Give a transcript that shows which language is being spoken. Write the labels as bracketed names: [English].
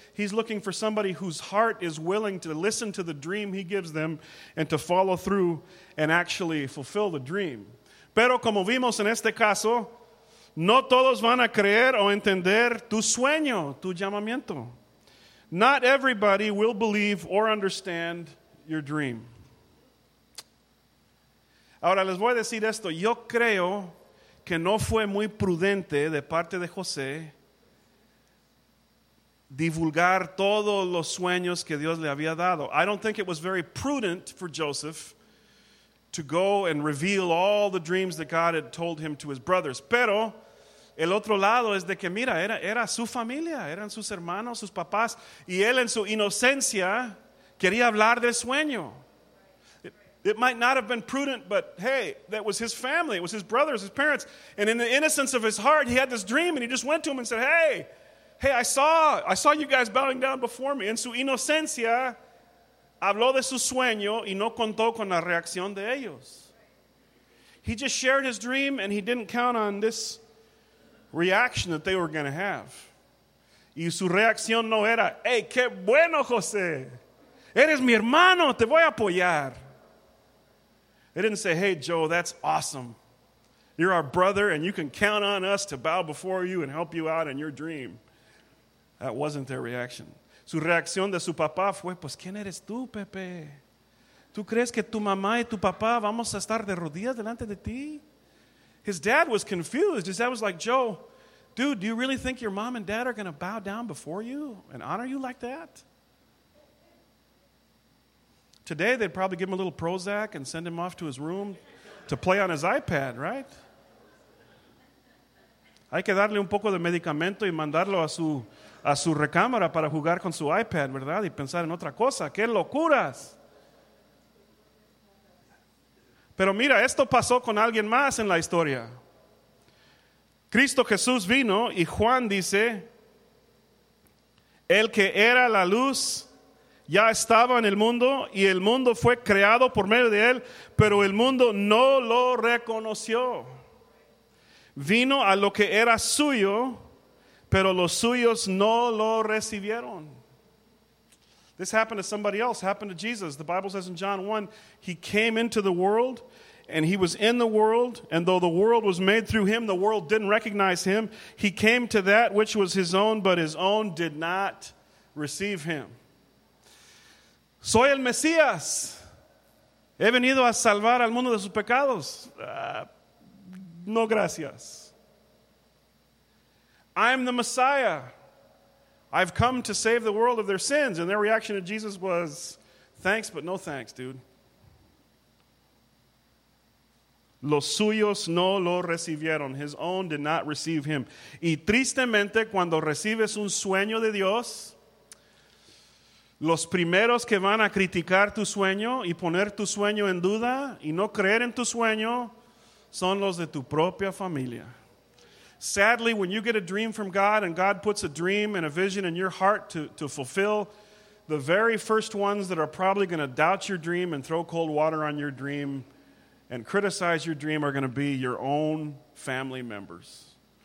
[English] He's looking for somebody whose heart is willing to listen to the dream he gives them and to follow through and actually fulfill the dream. [Spanish] Pero como vimos en este caso, no todos van a creer o entender tu sueño, tu llamamiento. [English] Not everybody will believe or understand your dream. [Spanish] Ahora les voy a decir esto. Yo creo que no fue muy prudente de parte de José divulgar todos los sueños que Dios le había dado. [English] I don't think it was very prudent for Joseph to go and reveal all the dreams that God had told him to his brothers. [Spanish] Pero el otro lado es de que mira, era su familia, eran sus hermanos, sus papás, y él en su inocencia quería hablar del sueño. [English] It might not have been prudent, but hey, that was his family. It was his brothers, his parents. And in the innocence of his heart, he had this dream, and he just went to him and said, hey, I saw you guys bowing down before me. [Spanish] En su inocencia, habló de su sueño y no contó con la reacción de ellos. [English] He just shared his dream, and he didn't count on this reaction that they were going to have. [Spanish] Y su reacción no era, hey, qué bueno, José. Eres mi hermano, te voy a apoyar. [English] They didn't say, hey, Joe, that's awesome. You're our brother, and you can count on us to bow before you and help you out in your dream. That wasn't their reaction. [Spanish] Su reacción de su papá fue, pues, ¿quién eres tú, Pepe? ¿Tú crees que tu mamá y tu papá vamos a estar de rodillas delante de ti? [English] His dad was confused. His dad was like, Joe, dude, do you really think your mom and dad are going to bow down before you and honor you like that? Today, they'd probably give him a little Prozac and send him off to his room to play on his iPad, right? [Spanish] Hay que darle un poco de medicamento y mandarlo a su recámara para jugar con su iPad, ¿verdad? Y pensar en otra cosa. ¡Qué locuras! Pero mira, esto pasó con alguien más en la historia. Cristo Jesús vino y Juan dice, el que era la luz ya estaba en el mundo y el mundo fue creado por medio de él, pero el mundo no lo reconoció. Vino a lo que era suyo, pero los suyos no lo recibieron. [English] This happened to somebody else, happened to Jesus. The Bible says in John 1, he came into the world and he was in the world, and though the world was made through him, the world didn't recognize him. He came to that which was his own, but his own did not receive him. [Spanish] Soy el Mesías. He venido a salvar al mundo de sus pecados. No gracias. [English] I am the Messiah. I've come to save the world of their sins. And their reaction to Jesus was, thanks, but no thanks, dude. [Spanish] Los suyos no lo recibieron. [English] His own did not receive him. [Spanish] Y tristemente, cuando recibes un sueño de Dios, los primeros que van a criticar tu sueño y poner tu sueño en duda y no creer en tu sueño son los de tu propia familia. [English] Sadly, when you get a dream from God and God puts a dream and a vision in your heart to fulfill, the very first ones that are probably going to doubt your dream and throw cold water on your dream and criticize your dream are going to be your own family members.